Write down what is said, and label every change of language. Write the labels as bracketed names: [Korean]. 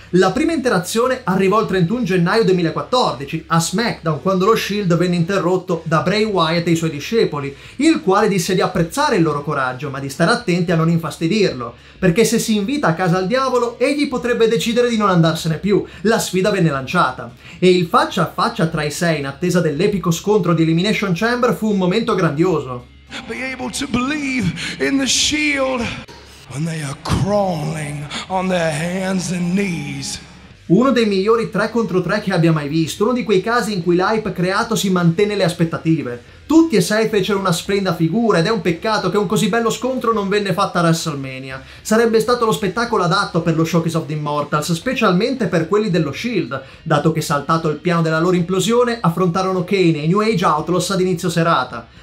[Italian] La prima interazione arrivò il 31 gennaio 2014 a SmackDown, quando lo Shield venne interrotto da Bray Wyatt e i suoi discepoli, il quale disse di apprezzare il loro coraggio ma di stare attenti a non infastidirlo, perché se si invita a casa al diavolo egli potrebbe decidere di non andarsene più. La sfida venne lanciata. E il faccia a faccia tra i sei in attesa dell'epico scontro di Elimination Chamber fu un momento grandioso. [English] Be able to believe in the Shield when they are crawling on their hands and knees. [Italian] Uno dei migliori 3 contro 3 che abbia mai visto, uno di quei casi in cui l'hype creato si mantenne le aspettative. Tutti e sei fecero una splendida figura ed è un peccato che un così bello scontro non venne fatto a WrestleMania. Sarebbe stato lo spettacolo adatto per lo Showcase of the Immortals, specialmente per quelli dello Shield, dato che saltato il piano della loro implosione, affrontarono Kane e New Age Outlaws ad inizio serata.